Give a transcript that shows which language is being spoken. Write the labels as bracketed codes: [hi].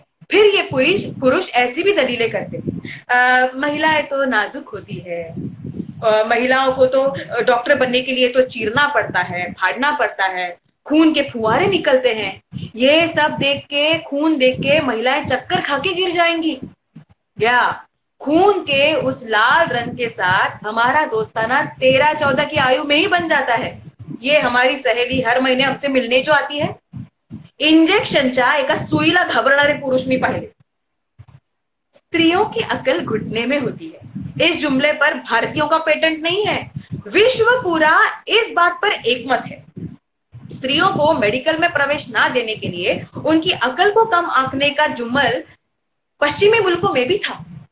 [hi] फिर ये पुरुष ऐसी भी दलीलें करते, महिलाएं तो नाजुक होती है, महिलाओं को तो डॉक्टर बनने के लिए तो चीरना पड़ता है, फाड़ना पड़ता है, खून के फुहारे निकलते हैं, ये सब देख के, खून देख के महिलाएं चक्कर खाके गिर जाएंगी। या खून के उस लाल रंग के साथ हमारा दोस्ताना 13-14 की आयु में ही बन जाता है, ये हमारी सहेली हर महीने हमसे मिलने जो आती है. [mr] इंजेक्शन चा एका सुईला घबरणारे पुरुष मी पाहिले. [hi] स्त्रियों की अकल घुटने में होती है, इस जुमले पर भारतीयों का पेटेंट नहीं है, विश्व पूरा इस बात पर एकमत है. स्त्रियों को मेडिकल में प्रवेश ना देने के लिए उनकी अकल को कम आंकने का जुमल पश्चिमी मुल्कों में भी था.